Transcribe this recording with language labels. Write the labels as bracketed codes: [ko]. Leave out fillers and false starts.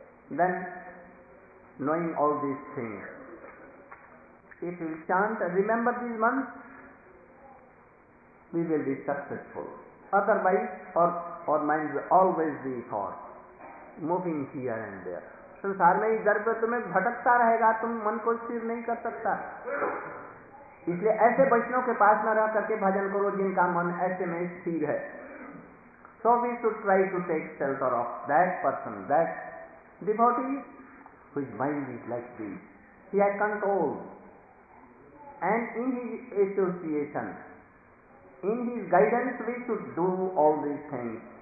[en] Then, knowing all these things, if we chant and remember these mantras, we will be successful. Otherwise, our mind will always be thought, moving here and there. [hi] संसार में इधर पर तुम्हें भटकता रहेगा, तुम मन को स्थिर नहीं कर सकता। इसलिए ऐसे वैष्णव के पास न रह करके भजन करो जिनका मन ऐसे में स्थिर है। [en] So we should try to take shelter of that person, that devotee whose mind is like this. He has control. And in his association, in his guidance, we should do all these things.